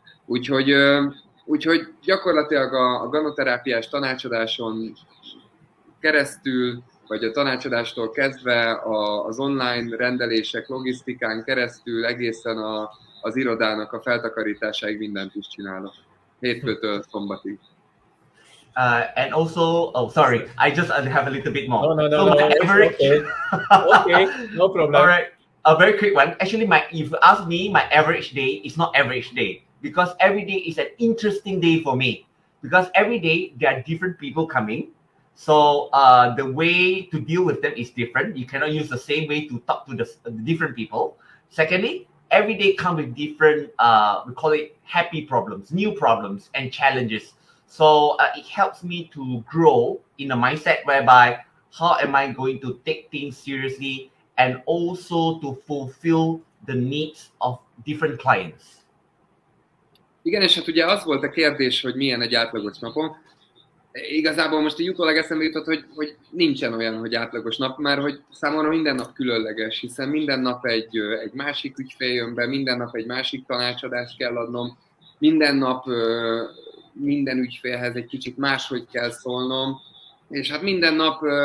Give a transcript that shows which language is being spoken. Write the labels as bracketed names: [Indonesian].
[Hungarian] Úgyhogy gyakorlatilag a ganoterápiás tanácsadáson keresztül, vagy a tanácsadástól kezdve az online rendelések, logisztikán keresztül egészen az irodának a feltakarításáig mindent is csinálok. Hétfőtől szombatig. [English] And also, sorry, I just have a little bit more. No, average... okay, no problem. All right, a very quick one. Actually, if you ask me, my average day is not average day, because every day is an interesting day for me, because every day there are different people coming. So the way to deal with them is different. You cannot use the same way to talk to the different people. Secondly, every day comes with different, we call it happy problems, new problems and challenges. So it helps me to grow in a mindset whereby how am I going to take things seriously and also to fulfill the needs of different clients. [Hungarian] Igen, és hát ugye az volt a kérdés, hogy milyen egy átlagos napom. Igazából most így utólag eszembe jutott, hogy nincsen olyan, hogy átlagos nap, mert hogy számomra minden nap különleges, hiszen minden nap egy másik ügyfél jön be, minden nap egy másik tanácsadást kell adnom, minden nap minden ügyfélhez egy kicsit máshogy kell szólnom, és hát minden nap